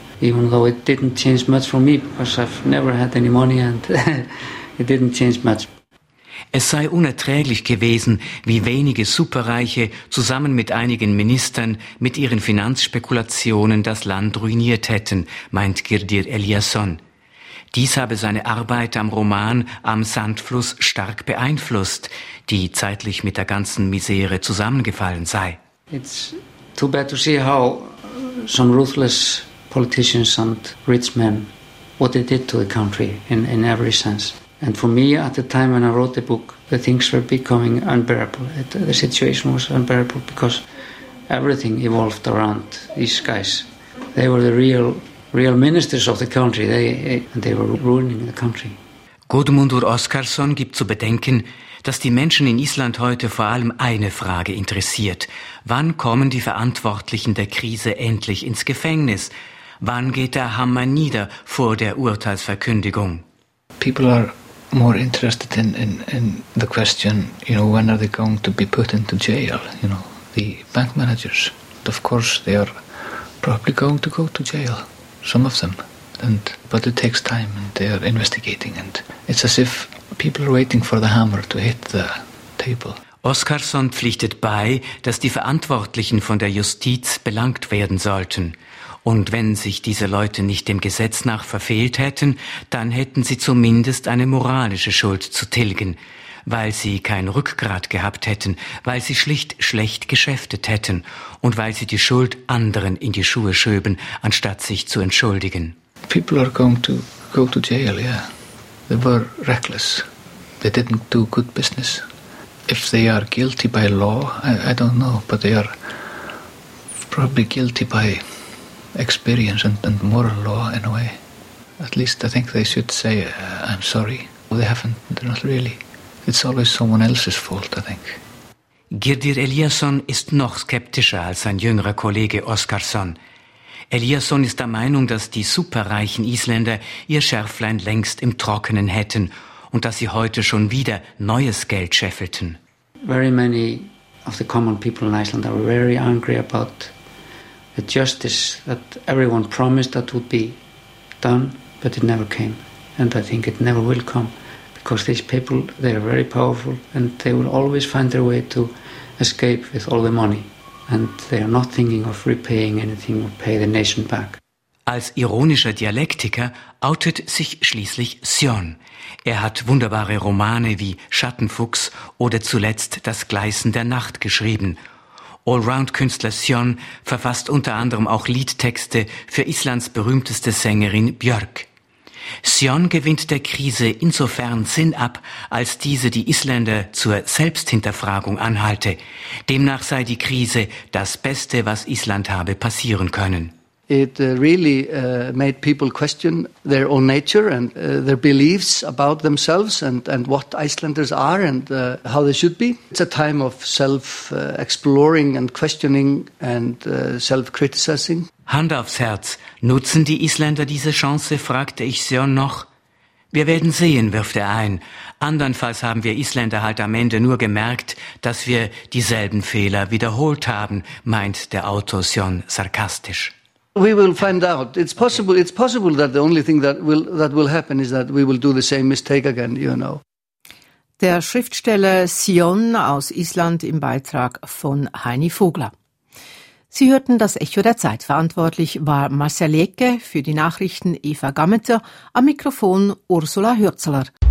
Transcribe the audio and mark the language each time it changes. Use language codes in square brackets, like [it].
[en] Even though it didn't change much for me, because I've never had any money and it didn't change much. [de] Es sei unerträglich gewesen, wie wenige Superreiche zusammen mit einigen Ministern mit ihren Finanzspekulationen das Land ruiniert hätten, meint Girdir Eliasson. Dies habe seine Arbeit am Roman »Am Sandfluss« stark beeinflusst, die zeitlich mit der ganzen Misere zusammengefallen sei. [en] It's too bad to see how some ruthless politicians and rich men, what they did to the country in every sense. And for me, at the time when I wrote the book, the things were becoming unbearable. The situation was unbearable because everything evolved around these guys. They were the real real ministers of the country. They were ruining the country. [de] Gudmundur Oskarsson gibt zu bedenken, dass die Menschen in Island heute vor allem eine Frage interessiert. Wann kommen die Verantwortlichen der Krise endlich ins Gefängnis? Wann geht der Hammer nieder vor der Urteilsverkündigung? [en] People are more interested in the question, you know, when are they going to be put into jail? You know, the bank managers. And of course, they are probably going to go to jail, some of them. And but it takes time, and they are investigating, and it's as if people are waiting for the hammer to hit the table. [de] Oskarsson pflichtet bei, dass die Verantwortlichen von der Justiz belangt werden sollten. Und wenn sich diese Leute nicht dem Gesetz nach verfehlt hätten, dann hätten sie zumindest eine moralische Schuld zu tilgen, weil sie kein Rückgrat gehabt hätten, weil sie schlicht schlecht geschäftet hätten und weil sie die Schuld anderen in die Schuhe schöben, anstatt sich zu entschuldigen. [en] People are going to go to jail, yeah. They were reckless. They didn't do good business. If they are guilty by law, I don't know, but they are probably guilty by experience and moral law in a way. At least I think they should say, I'm sorry. Well, they haven't, they're not really. It's always someone else's fault, I think. [de] Girdir Eliasson ist noch skeptischer als sein jüngerer Kollege Oskarsson. Eliasson ist der Meinung, dass die superreichen Isländer ihr Schärflein längst im Trockenen hätten und dass sie heute schon wieder neues Geld scheffelten. [en] Very many of the common people in Iceland are very angry about the justice that everyone promised that would be done, but it never came. And I think it never will come, because these people, they are very powerful and they will always find their way to escape with all the money. And they are not thinking of repaying anything or pay the nation back. [de] Als ironischer Dialektiker outet sich schließlich Sjón. Er hat wunderbare Romane wie Schattenfuchs oder zuletzt Das Gleißen der Nacht geschrieben. Allround-Künstler Sjón verfasst unter anderem auch Liedtexte für Islands berühmteste Sängerin Björk. Sjón gewinnt der Krise insofern Sinn ab, als diese die Isländer zur Selbsthinterfragung anhalte. Demnach sei die Krise das Beste, was Island habe passieren können. [en] It really made people question their own nature and their beliefs about themselves and what Icelanders are and how they should be. It's a time of self-exploring and questioning and self-criticizing. [de] Hand aufs Herz, nutzen die Isländer diese Chance, fragte ich Sjón noch. Wir werden sehen, wirft er ein. Andernfalls haben wir Isländer halt am Ende nur gemerkt, dass wir dieselben Fehler wiederholt haben, meint der Autor Sjón sarkastisch. [en] We will find out. It's possible. It's possible that the only thing that will happen is that we will do the same mistake again. You know. [de] Der Schriftsteller Sjón aus Island im Beitrag von Heini Vogler. Sie hörten das Echo der Zeit. Verantwortlich war Marcel Lecke, für die Nachrichten Eva Gammeter, am Mikrofon Ursula Hürzler.